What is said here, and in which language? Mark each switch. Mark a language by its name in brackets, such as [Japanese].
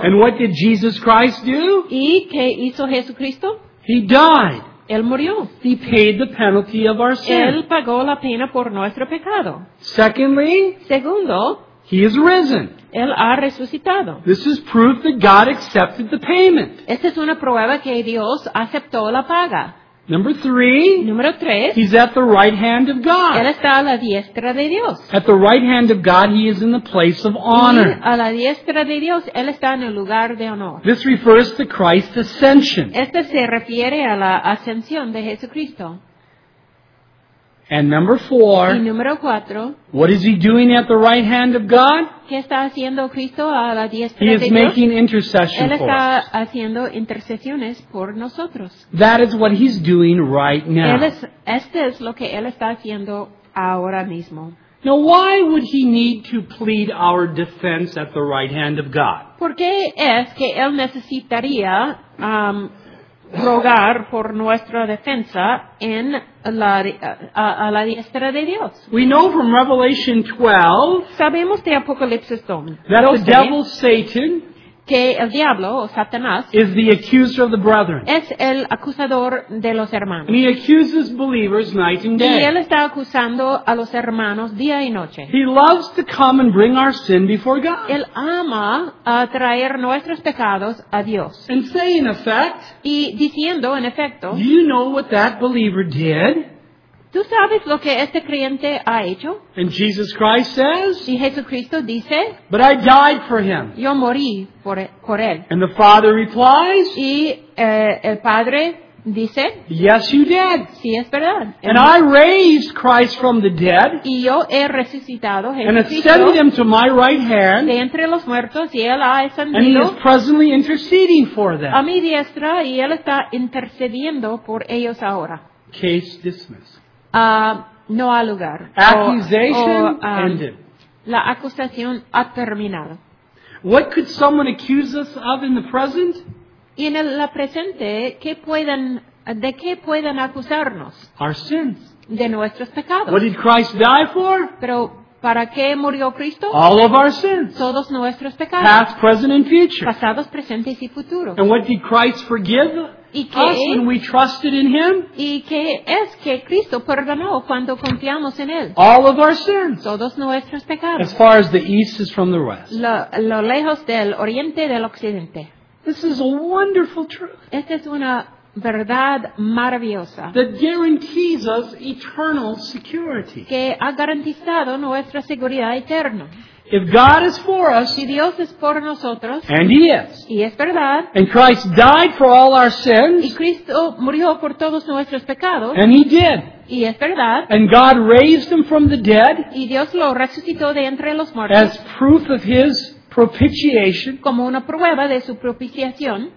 [English] And what did Jesus Christ do? [Spanish] ¿Y qué hizo Jesucristo? [English] He died. [Spanish] Él murió. [English] He paid the penalty of our sin. [Spanish] Él pagó la pena por nuestro pecado. [English] Secondly. [Spanish] Segundo. [English] He is risen. [Spanish] Él ha resucitado. [English] This is proof that God accepted the payment. [Spanish] Esta es una prueba que Dios aceptó la paga. [English] Number three. [Spanish] Número tres. [English] He's at the right hand of God. [Spanish] Él está a la diestra de Dios. [English] At the right hand of God, he is in the place of honor. [Spanish] Y a la diestra de Dios, él está en el lugar de honor. [English] This refers to Christ's ascension. [Spanish] Este se refiere a la ascensión de Jesucristo. [English] And number four. [Spanish] Y número cuatro. [English] What is he doing at the right hand of God? [Spanish] ¿Qué está haciendo Cristo a la diestra [English] he [Spanish] Dios? [English] He is making intercession [Spanish] él está [English] for us. [Spanish] Haciendo intercesiones por nosotros. [English] That is what he's doing right now. [Spanish] Este es lo que él está haciendo ahora mismo. [English] Now, why would he need to plead our defense at the right hand of God? [Spanish] ¿Por qué es que él necesitaría rogar por nuestra defensa en la, a la diestra de Dios? [English] We know from Revelation 12, [Spanish] sabemos de Apocalipsis 12, [English] that the devil Satan, [Spanish] que el diablo o Satanás, [English] is the accuser of the brethren. [Spanish] Es el acusador de los hermanos. [English] And he accuses believers night and day. [Spanish] Y él está acusando a los hermanos día y noche. [English] He loves to come and bring our sin before God. [Spanish] Él ama traer nuestros pecados a Dios. [English] And say in effect, [Spanish] y diciendo en efecto, [English] do you know what that believer did? [Spanish] ¿Tú sabes lo que este creyente ha hecho? [English] And Jesus Christ says, [Spanish] y Jesucristo dice, [English] but I died for him. [Spanish] Yo morí por él. [English] And the Father replies, [Spanish] y el Padre dice, [English] yes, you did. [Spanish] Sí, es verdad. [English] And I raised Christ from the dead, [Spanish] y yo he resucitado Jesucristo, [English] and ascended him to my right hand, [Spanish] de entre los muertos, y él ha ascendido, [English] and he is presently interceding for them. [Spanish] A mi diestra, y él está intercediendo por ellos ahora. [English] Case dismissed. [Spanish] No ha lugar. [English] Accusation ended. [Spanish] La acusación ha terminado. [English] What could someone accuse us of in the present? [Spanish] Y en la presente, ¿de qué pueden acusarnos? [English] Our sins. [Spanish] De nuestros pecados. [English] What did Christ die for? [Spanish] Pero ¿para qué murió Cristo? [English] All of our sins. [Spanish] Todos nuestros pecados. [English] Past, present, and future. [Spanish] Pasados, presentes y futuros. [English] And what did Christ forgive? Us when we trusted in Him. [Spanish] ¿Y qué es que Cristo perdonó cuando confiamos en Él? [English] All of our sins. [Spanish] Todos nuestros pecados. [English] As far as the east is from the west. [Spanish] Lo lejos del oriente del occidente. [English] This is a wonderful truth. [Spanish] Esta es una verdad maravillosa. [English] That guarantees us eternal security. [Spanish] Que ha garantizado nuestra seguridad eterna. [English] If God is for us, [Spanish] si Dios es por nosotros, [English] and He is, [Spanish] y es verdad, [English] and Christ died for all our sins, [Spanish] y Cristo murió por todos nuestros pecados, [English] and He did, [Spanish] y es verdad, [English] and God raised Him from the dead, [Spanish] y Dios lo resucitó de entre los muertos, [English] as proof of His propitiation. [Spanish] Como una prueba de su propiciación.